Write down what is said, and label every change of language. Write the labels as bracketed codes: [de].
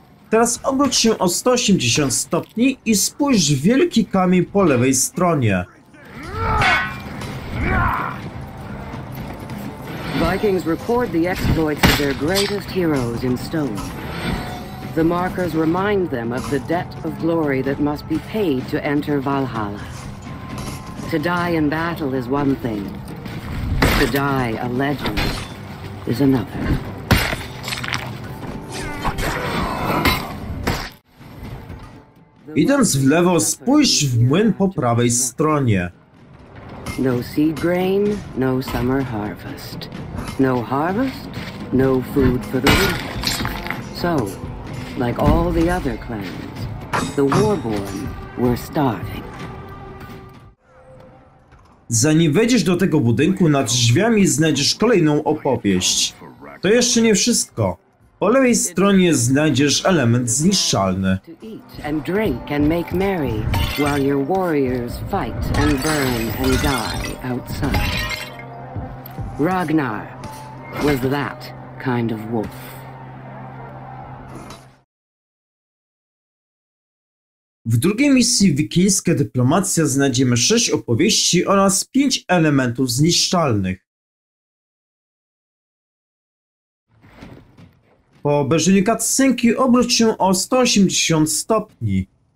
[pl] Teraz obróć się o 180 stopni i spójrz w wielki kamień po lewej stronie. [en] Vikings record the exploits of their greatest heroes in stone. The markers remind them of the debt of glory that must be paid to enter Valhalla. To die in battle is one thing. To die a legend is another. [pl] Idąc w lewo, spójrz w młyn po prawej stronie. [en] No seed grain, no summer harvest. No harvest, no food for the wheat. So, like all the other clans, the warborn were starving. [pl] Zanim wejdziesz do tego budynku, nad drzwiami znajdziesz kolejną opowieść. To jeszcze nie wszystko. Po lewej stronie znajdziesz element zniszczalny. [en] To eat and drink and make merry, while your warriors fight and burn and die outside. Ragnar was that kind of wolf. [pl] W drugiej misji Wikińska Dyplomacja znajdziemy 6 opowieści oraz 5 elementów zniszczalnych. Po obejrzeniu cutscenki obróć się o 180 stopni.